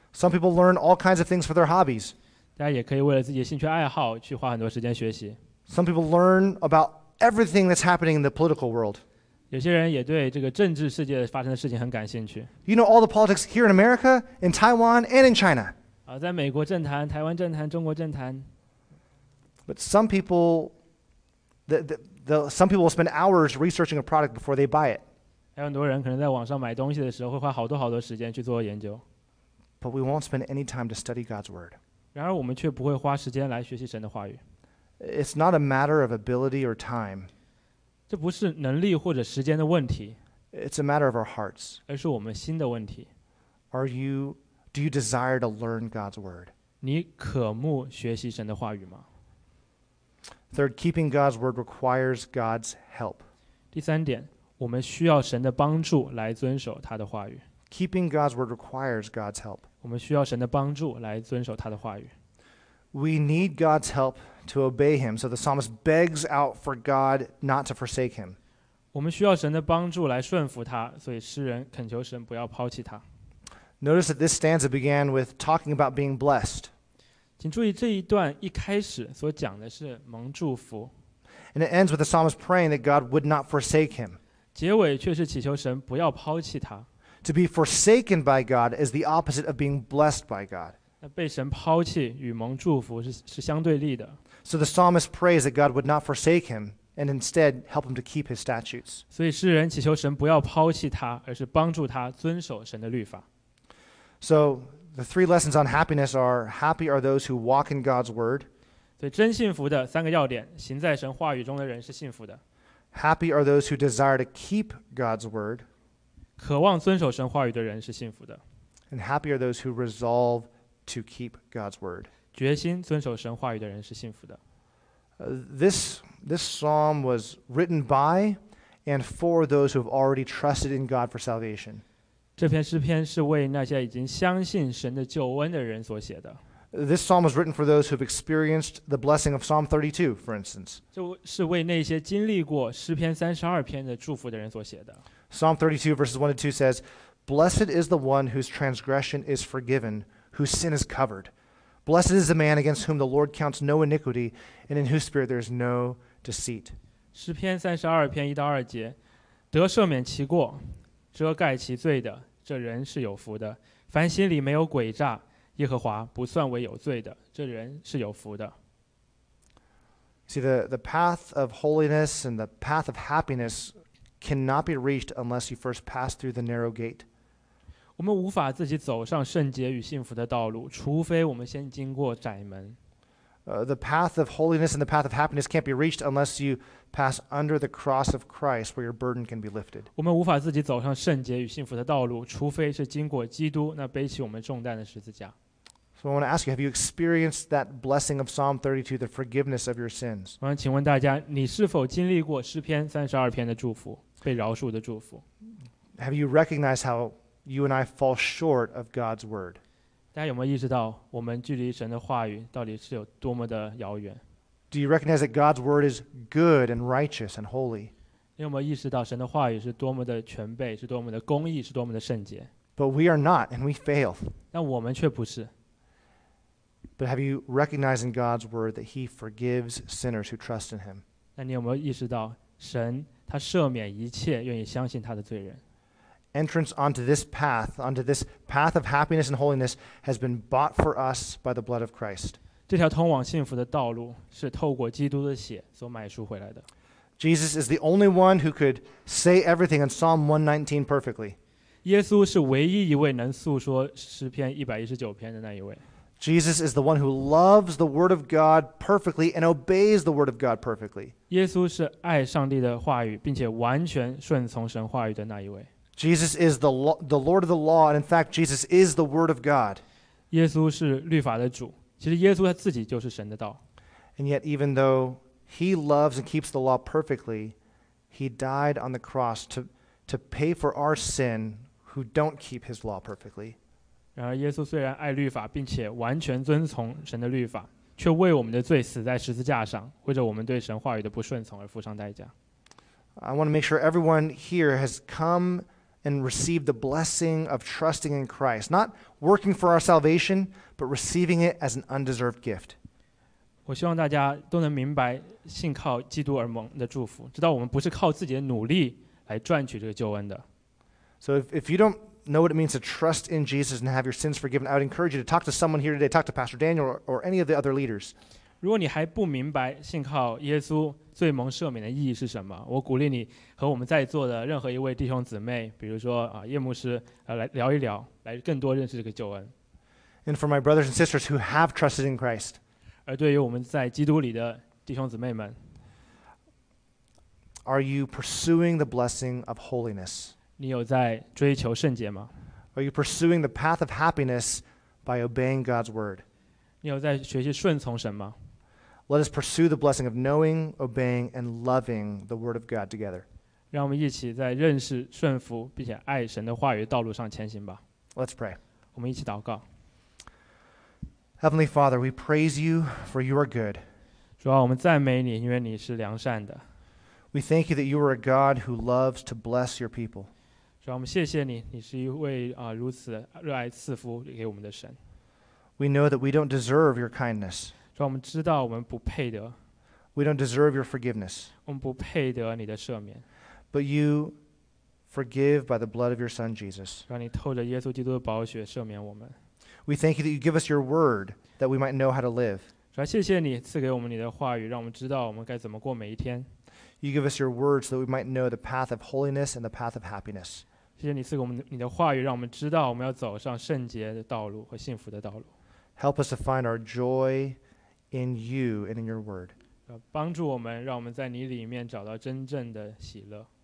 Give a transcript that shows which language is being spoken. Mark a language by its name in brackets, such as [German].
[English] Some people learn all kinds of things for their hobbies. [Chinese] 大家也可以为了自己的兴趣爱好去花很多时间学习。 [English] Some people learn about everything that's happening in the political world. [Chinese] 有些人也对这个政治世界发生的事情很感兴趣。 [English] You know all the politics here in America, in Taiwan, and in China. [Chinese] 在美国政坛、台湾政坛、中国政坛。 [English] But some people, some people will spend hours researching a product before they buy it. [Chinese] 还有很多人可能在网上买东西的时候会花好多好多时间去做研究。 [English] But we won't spend any time to study God's word. [Chinese] 然而我们却不会花时间来学习神的话语。 [English] It's not a matter of ability or time. [Chinese] 这不是能力或者时间的问题。 [English] It's a matter of our hearts. [Chinese] 而是我们心的问题。 [English] Do you desire to learn God's word? [Chinese] 你渴慕学习神的话语吗？ [English] Third, keeping God's word requires God's help. [Chinese] 第三点，我们需要神的帮助来遵守他的话语。 [English] Keeping God's word requires God's help. [Chinese] 我们需要神的帮助来遵守他的话语。 [English] We need God's help to obey him. So the psalmist begs out for God not to forsake him. [Chinese] 我们需要神的帮助来顺服他，所以诗人恳求神不要抛弃他。 [English] Notice that this stanza began with talking about being blessed. [Chinese] 请注意这一段一开始所讲的是蒙祝福。 [English] And it ends with the psalmist praying that God would not forsake him. [Chinese] 结尾却是祈求神不要抛弃他。 [English] To be forsaken by God is the opposite of being blessed by God. [Chinese] 那被神抛弃与蒙祝福是相对立的。 [English] So the psalmist prays that God would not forsake him and instead help him to keep his statutes. [Chinese] 所以诗人祈求神不要抛弃他，而是帮助他遵守神的律法。 [English] So the three lessons on happiness are happy are those who walk in God's word. [Chinese] 所以真幸福的三个要点，行在神话语中的人是幸福的。 [English] Happy are those who desire to keep God's word. [Chinese] 渴望遵守神话语的人是幸福的。 [English] And happy are those who resolve to keep God's word. [Chinese] 决心遵守神话语的人是幸福的。 [English] This psalm was written by and for those who have already trusted in God for salvation. [Chinese] 这篇诗篇是为那些已经相信神的救恩的人所写的。 [English] This psalm was written for those who have experienced the blessing of Psalm 32, for instance. [Chinese] 这是为那些经历过诗篇三十二篇的祝福的人所写的。 [English] Psalm 32, verses 1 to 2 says, Blessed is the one whose transgression is forgiven, whose sin is covered. Blessed is the man against whom the Lord counts no iniquity, and in whose spirit there is no deceit. [Chinese] 诗篇三十二篇一到二节，得赦免其过，遮盖其罪的，这人是有福的。凡心里没有诡诈，耶和华不算为有罪的，这人是有福的。 [English] See, the path of holiness and the path of happiness cannot be reached unless you first pass through the narrow gate. [Chinese] 我们无法自己走上圣洁与幸福的道路，除非我们先经过窄门。 [English] The path of holiness and the path of happiness can't be reached unless you pass under the cross of Christ where your burden can be lifted. [Chinese] 我们无法自己走上圣洁与幸福的道路，除非是经过基督那背起我们重担的十字架。 [English] So I want to ask you, have you experienced that blessing of Psalm 32, the forgiveness of your sins? [Chinese] 我想请问大家，你是否经历过诗篇三十二篇的祝福，被饶恕的祝福？ [English] Have you recognized how you and I fall short of God's word? [Chinese] 大家有没有意识到我们距离神的话语到底是有多么的遥远？ [English] Do you recognize that God's word is good and righteous and holy? [Chinese] 你有没有意识到神的话语是多么的全备，是多么的公义，是多么的圣洁？ [English] But we are not and we fail. [Chinese] 但我们却不是。 [English] But have you recognized in God's word that he forgives sinners who trust in him? [Chinese] 那你有没有意识到神他赦免一切愿意相信他的罪人？ [English] Entrance onto this path, onto this path of happiness and holiness, has been bought for us by the blood of Christ. [Chinese] 这条通往幸福的道路是透过基督的血所买赎回来的。 [English] Jesus is the only one who could say everything in Psalm 119 perfectly. [Chinese] 耶稣是唯一一位能诉说诗篇一百一十九篇的那一位。 [English] Jesus is the one who loves the word of God perfectly and obeys the word of God perfectly. [Chinese] 耶稣是爱上帝的话语，并且完全顺从神话语的那一位。 [English] Jesus is the Lord of the law, and in fact, Jesus is the Word of God. [Chinese] 耶稣是律法的主，其实耶稣他自己就是神的道。 [English] And yet, even though he loves and keeps the law perfectly, he died on the cross to pay for our sin who don't keep his law perfectly. [Chinese] 然而耶稣虽然爱律法，并且完全遵从神的律法，却为我们的罪死在十字架上，为着我们对神话语的不顺从而付上代价。 [English] I want to make sure everyone here has come and receive the blessing of trusting in Christ, not working for our salvation, but receiving it as an undeserved gift. [Chinese] 我希望大家都能明白信靠基督而蒙的祝福，知道我们不是靠自己的努力来赚取这个救恩的。 [English] So if you don't know what it means to trust in Jesus and have your sins forgiven, I would encourage you to talk to someone here today, talk to Pastor Daniel or any of the other leaders. [Chinese] 如果你还不明白信靠耶稣罪蒙赦免的意义是什么，我鼓励你和我们在座的任何一位弟兄姊妹，比如说叶牧师，来聊一聊，来更多认识这个救恩。 [English] And for my brothers and sisters who have trusted in Christ, [Chinese] 而对于我们在基督里的弟兄姊妹们， [English] Are you pursuing the blessing of holiness? [Chinese] 你有在追求圣洁吗？ [English] Are you pursuing the path of happiness by obeying God's word? [Chinese] 你有在学习顺从神吗？ [English] Let us pursue the blessing of knowing, obeying, and loving the Word of God together. [Chinese] 让我们一起在认识、顺服并且爱神的话语道路上前行吧。 [English] Let's pray. [Chinese] 我们一起祷告。 [English] Heavenly Father, we praise you for you are good. [Chinese] 主啊，我们赞美你，因为你是良善的。 [English] We thank you that you are a God who loves to bless your people. [Chinese] 主啊，我们谢谢你，你是一位如此热爱赐福给我们的神。 [English] We know that we don't deserve your kindness. [Chinese] 主啊，我们知道我们不配得。 [English] We don't deserve your forgiveness. [Chinese] 我们不配得你的赦免。 [English] But you forgive by the blood of your Son Jesus. [Chinese] 让你透着耶稣基督的宝血赦免我们。 [English] We thank you that you give us your word that we might know how to live. [Chinese] 主啊，谢谢你赐给我们你的话语，让我们知道我们该怎么过每一天。 [English] You give us your word so that we might know the path of holiness and the path of happiness. [Chinese] 谢谢你赐给我们你的话语，让我们知道我们要走上圣洁的道路和幸福的道路。 [English] Help us to find our joy in you and in your word. [Chinese] 帮助我们，让我们在你里面找到真正的喜乐。